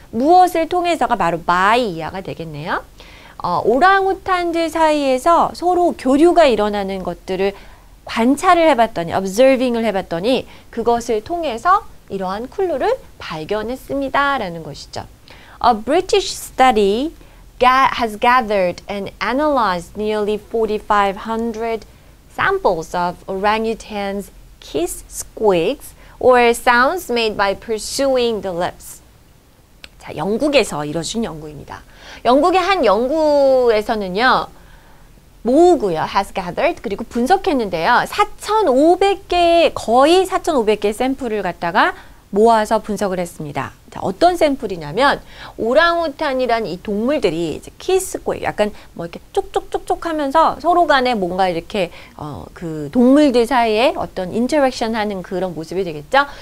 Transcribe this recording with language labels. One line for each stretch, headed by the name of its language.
Korean: 무엇을 통해서가 바로 by 이하가 되겠네요. 오랑우탄들 사이에서 서로 교류가 일어나는 것들을 관찰을 해봤더니, observing을 해봤더니 그것을 통해서 이러한 클루를 발견했습니다 라는 것이죠.
English: A British study has gathered and analyzed nearly 4,500 samples of orangutans' kiss squeaks or sounds made by pursuing the lips.
Korean: 자, 영국에서 이뤄진 연구입니다. 영국의 한 연구에서는요. 모으고요.
English: has gathered
Korean: 그리고 분석했는데요. 4,500개의 샘플을 갖다가 모아서 분석을 했습니다. 자, 어떤 샘플이냐면 오랑우탄이란 이 동물들이 이제 키스코에 약간 뭐 이렇게 쪽쪽쪽쪽 하면서 서로 간에 뭔가 이렇게 그 동물들 사이에 어떤 인터랙션 하는 그런 모습이 되겠죠.